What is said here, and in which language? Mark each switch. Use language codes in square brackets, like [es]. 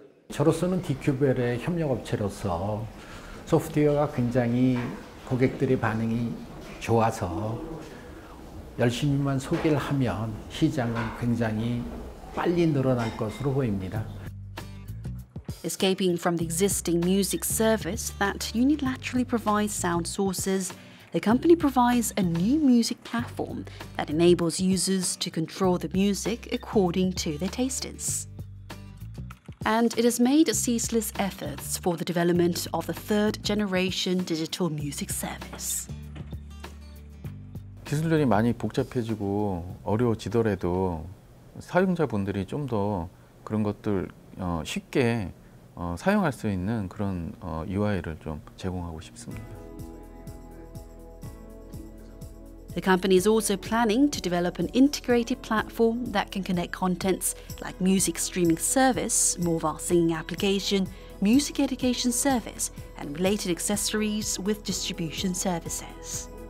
[ko] D-Cube는 D-Cube의 협력 업체로서 소프트웨어가 굉장히 고객들의 반응이 좋아서 열심히만 소개를 하면 시장은 굉장히 빨리 늘어날 것으로 보입니다. [en] Escaping from the existing music service that unilaterally provides sound sources, the company provides a new music platform that enables users to control the music according to their tastes. And it has made ceaseless efforts for the development of the third generation digital music service. [ko] 기술들이 많이 복잡해지고 어려워지더라도 사용자분들이 좀 더 그런 것들 쉽게 사용할 수 있는 그런 UI를 좀 제공하고 싶습니다. [en] The company is also planning to develop an integrated platform that can connect contents like music streaming service, mobile singing application, music education service, and related accessories with distribution services.